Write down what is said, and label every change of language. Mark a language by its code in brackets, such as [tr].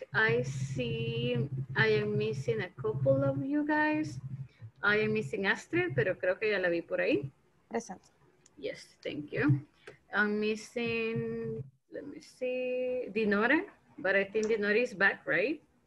[en] I see I am missing a couple of you guys. I am missing [es] Astrid, pero creo que ya la vi por ahí. [en] Present. Yes, thank you. I'm missing, let me see, Dinora, but I think Dinora is back, right?